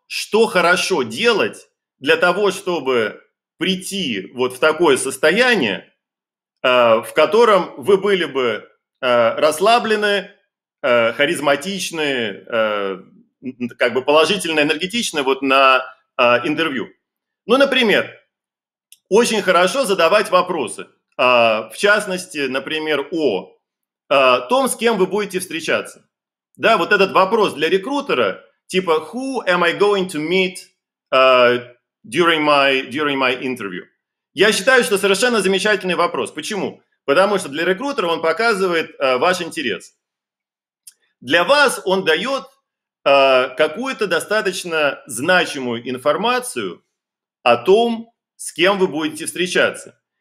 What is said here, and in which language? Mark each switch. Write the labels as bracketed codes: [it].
[ru] что хорошо делать для того, чтобы прийти вот в такое состояние, в котором вы были бы расслаблены, харизматичны, как бы положительно энергетичны вот на интервью. Ну, например, очень хорошо задавать вопросы. В частности, например, о том, с кем вы будете встречаться. Да, вот этот вопрос для рекрутера, типа [en] «Who am I going to meet during my interview?» [ru] Я считаю, что совершенно замечательный вопрос. Почему? Потому что для рекрутера он показывает ваш интерес. Для вас он дает какую-то достаточно значимую информацию о том, с кем вы будете встречаться.